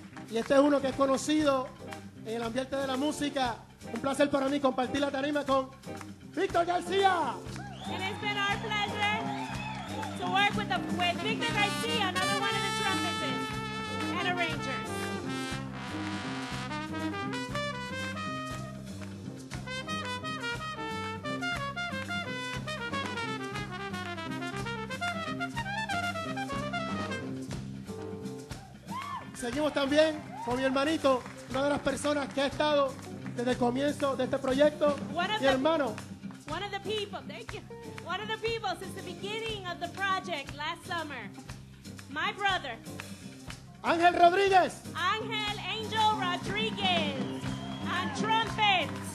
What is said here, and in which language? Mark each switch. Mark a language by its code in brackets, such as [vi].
[es] Y este es uno que es conocido en el ambiente de la música. Un placer para mí compartir la tarima con Víctor García. [en] And it's been our pleasure to work with Victor García, another one of the trumpeters and arrangers. [es] Seguimos también con mi hermanito, una de las personas que ha estado desde el comienzo de este proyecto, mi hermano. [en] One of the people, thank you. One of the people since the beginning of the project last summer. My brother. Ángel Rodríguez. Ángel Angel Rodríguez. On trumpet.